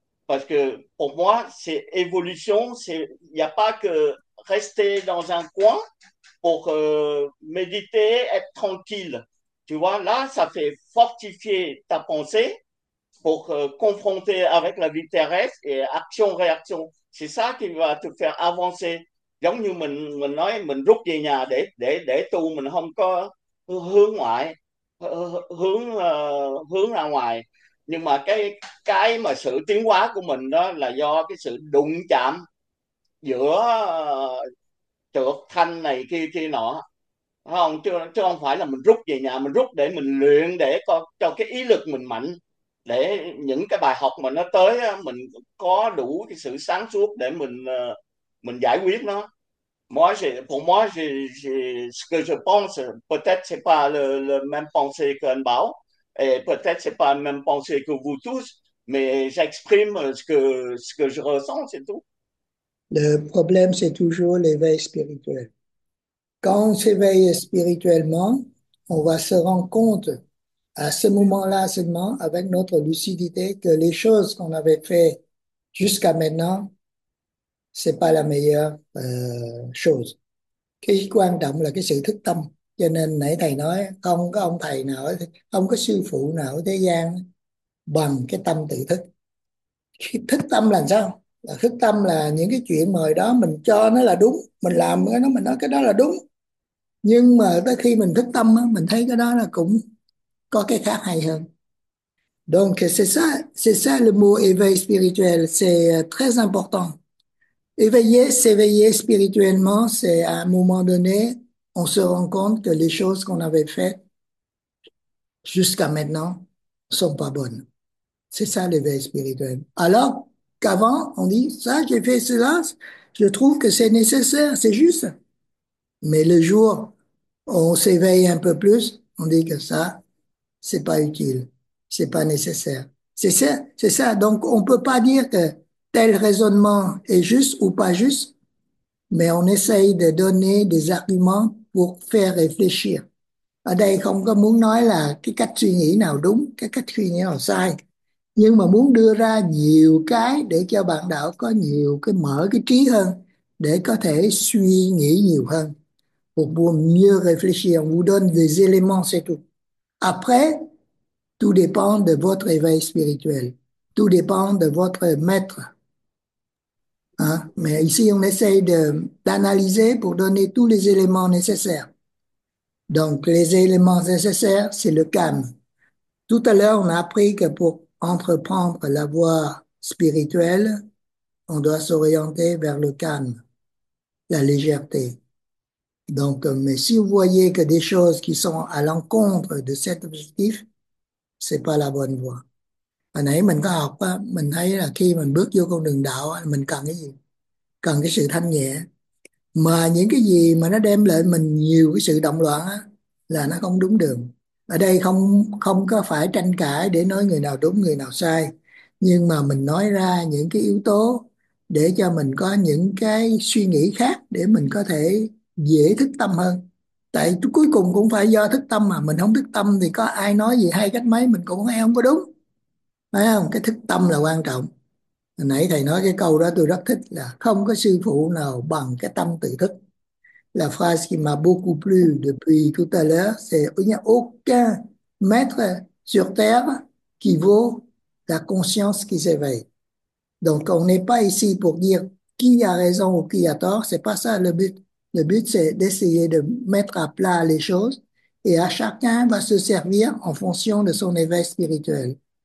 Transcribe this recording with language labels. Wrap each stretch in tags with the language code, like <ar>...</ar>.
<fr>Parce que pour moi, c'est évolution, c'est, il n'y a pas que rester dans un coin pour méditer, être tranquille. Tu vois, là, ça fait fortifier ta pensée pour confronter avec la vie terrestre et action-réaction. C'est ça qui va te faire avancer.</fr> <vi>Giống như mình nói mình rút về nhà để tu, mình không có hướng ngoại, hướng ra ngoài. Nhưng mà cái mà sự tiến hóa của mình đó là do cái sự đụng chạm giữa trượt thanh này kia kia nọ, phải không? Chứ không phải là mình rút về nhà, mình rút để mình luyện, để cho cái ý lực mình mạnh, để những cái bài học mà nó tới mình có đủ cái sự sáng suốt để mình giải quyết nó.</vi> <fr>Moi, pour moi, ce que je pense, peut-être c'est pas le même pensée qu'un bao, et peut-être c'est pas la même pensée que vous tous, mais j'exprime ce que je ressens, c'est tout. Le problème, c'est toujours l'éveil spirituel. Quand on s'éveille spirituellement, on va se rendre compte à ce moment-là seulement, avec notre lucidité, que les choses qu'on avait faites jusqu'à maintenant, ce n'est pas la meilleure chose.</fr> <vi>Cái quan trọng là cái sự thức tâm. Cho nên nãy thầy nói, không có ông thầy nào, không có sư phụ nào ở thế gian bằng cái tâm tự thức. Khi thức tâm là sao? Thức tâm là những cái chuyện mời đó mình cho nó là đúng, mình làm cái nó mình nói cái đó là đúng, nhưng mà tới khi mình thức tâm á, mình thấy cái đó là cũng có cái khác hay hơn.</vi> <fr>Donc c'est ça le mot éveil spirituel, c'est très important. Éveiller, s'éveiller spirituellement, c'est à un moment donné on se rend compte que les choses qu'on avait faites jusqu'à maintenant sont pas bonnes. C'est ça l'éveil spirituel. Alors qu'avant, on dit, ça, j'ai fait cela, je trouve que c'est nécessaire, c'est juste. Mais le jour où on s'éveille un peu plus, on dit que ça, c'est pas utile, c'est pas nécessaire. C'est ça. Donc, on peut pas dire que tel raisonnement est juste ou pas juste, mais on essaye de donner des arguments pour faire réfléchir.</fr> <vi>Ở đây không có muốn nói là cái cách suy nghĩ nào đúng, cái cách suy nghĩ nào sai, nhưng mà muốn đưa ra nhiều cái để cho bạn đạo có nhiều cái mở cái trí hơn, để có thể suy nghĩ nhiều hơn.</vi> <fr>Pour mieux réfléchir, on vous donne des éléments, c'est tout. Après, tout dépend de votre éveil spirituel. Tout dépend de votre maître. Hein? Mais ici, on essaye d'analyser pour donner tous les éléments nécessaires. Donc, les éléments nécessaires, c'est le calme. Tout à l'heure, on a appris que pour entreprendre la voie spirituelle, on doit s'orienter vers le calme, la légèreté. Donc, mais si vous voyez que des choses qui sont à l'encontre de cet objectif, c'est pas la bonne voie.</fr> <vi>Hồi nãy mình có học, mình thấy là khi mình bước vô con đường đạo, mình cần cái gì? Cần cái sự thanh nhẹ. Mà những cái gì mà nó đem lại mình nhiều cái sự động loạn là nó không đúng đường. Ở đây không không có phải tranh cãi để nói người nào đúng, người nào sai. Nhưng mà mình nói ra những cái yếu tố để cho mình có những cái suy nghĩ khác, để mình có thể dễ thức tâm hơn. Tại cuối cùng cũng phải do thức tâm, mà mình không thức tâm thì có ai nói gì hay cách mấy mình cũng nghe không có đúng. Phải không? Cái thức tâm là quan trọng. Nãy thầy nói cái câu đó tôi rất thích, là không có sư phụ nào bằng cái tâm tự thức.</vi> <fr>La phrase qui m'a beaucoup plu depuis tout à l'heure, c'est il n'y a aucun maître sur terre qui vaut la conscience qui s'éveille. Donc, on n'est pas ici pour dire qui a raison ou qui a tort. C'est pas ça le but. Le but, c'est d'essayer de mettre à plat les choses, et à chacun va se servir en fonction de son éveil spirituel.</fr>